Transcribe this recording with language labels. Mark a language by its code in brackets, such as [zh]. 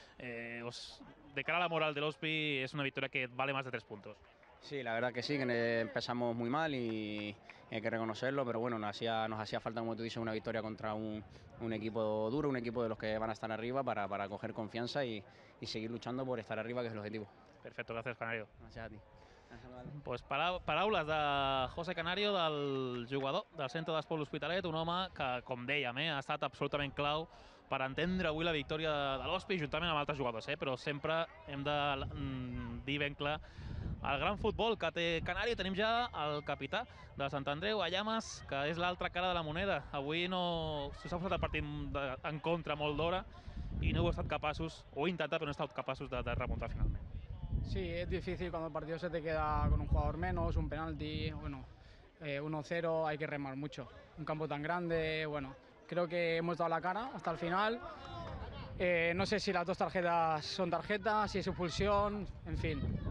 [es] De cara a la moral del Hospi, es una victoria que vale más de tres puntos. Sí, la verdad que sí, que empezamos muy mal y hay que reconocerlo, pero bueno, nos hacía falta, como tú dices, una victoria contra un equipo duro, un equipo de los que van a estar arriba para coger confianza y seguir luchando por estar arriba, que es el objetivo. Perfecto, gracias, Canario. Gracias a ti. [ca] Pues paraules de José Canario, del jugador del centre d'Espol Hospitalet, un home que, com dèiem, ha estat absolutament clau per entendre avui la victòria de l'Hospi, juntament amb altres jugadors, però sempre hem de dir ben clar el gran futbol que té Canario. Tenim ja el capità de Sant Andreu, Ayamas, que és l'altra cara de la moneda. Avui no s'ha posat el partit en contra molt d'hora i no heu estat capaços, o he intentat, però no he estat capaços de remuntar finalment. [es] Sí, es difícil cuando el partido se te queda con un jugador menos, un penalti, bueno, 1-0, hay que remar mucho. Un campo tan grande, bueno, creo que hemos dado la cara hasta el final. No sé si las dos tarjetas son tarjetas, si es expulsión, en fin.